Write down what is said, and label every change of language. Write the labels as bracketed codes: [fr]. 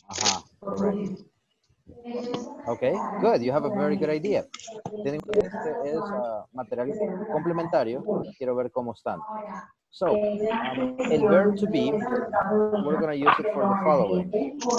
[en] Ajá, okay, good, you have a very good idea. [es] Este es material complementario, quiero ver cómo están. [en] So, el verb to be, we're going to use it for the following.